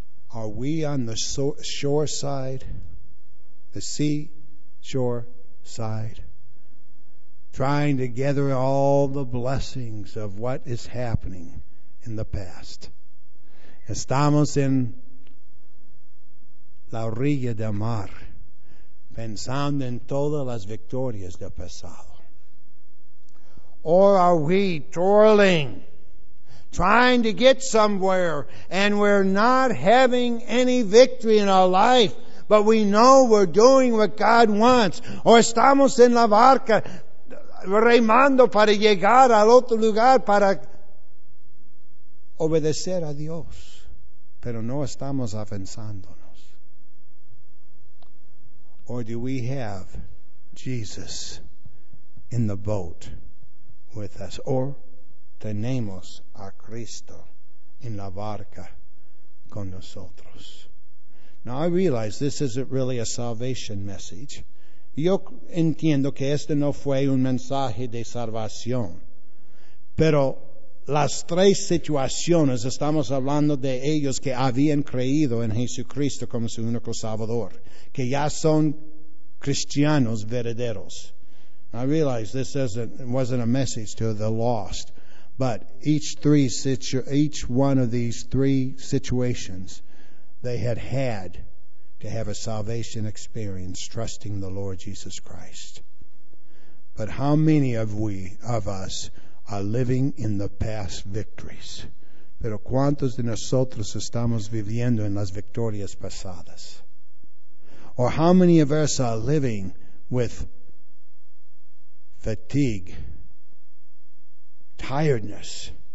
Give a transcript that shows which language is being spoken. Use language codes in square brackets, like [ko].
[en] Are we on the shore side, the sea shore side, trying to gather all the blessings of what is happening in the past? [es] Estamos en la orilla del mar, pensando en todas las victorias del pasado. [en] Or are we toiling, trying to get somewhere, and we're not having any victory in our life, but we know we're doing what God wants? [es] O estamos en la barca remando para llegar al otro lugar para obedecer a Dios, pero no estamos avanzándonos. [en] Or do we have Jesus in the boat with us? [es] Or tenemos a Cristo en la barca con nosotros. [en] Now I realize this isn't really a salvation message. [es] Yo entiendo que este no fue un mensaje de salvación. Pero las tres situaciones, estamos hablando de ellos que habían creído en Jesucristo como su único Salvador, que ya son cristianos verdaderos. [en] I realize this wasn't a message to the lost. But each one of these three situations, they had to have a salvation experience trusting the Lord Jesus Christ. But how many of us are living in the past victories? [es] Pero cuántos de nosotros estamos viviendo en las victorias pasadas? [en] Or how many of us are living with fatigue, tiredness,